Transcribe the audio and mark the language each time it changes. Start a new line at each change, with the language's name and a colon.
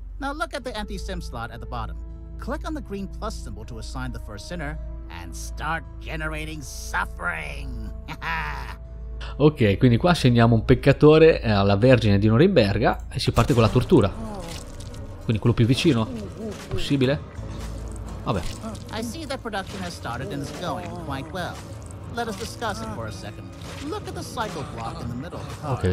English: Now look at the empty sim slot at the bottom. Click on the green plus symbol to assign the first sinner and start generating suffering.
Italian: Ok, quindi qua assegniamo un peccatore alla Vergine di Norimberga e si parte con la tortura. Quindi quello più vicino possibile? Vabbè.
English: I see that production has started and is going quite well. Let us discuss it for a second. Look at the cycle block in the middle of the card.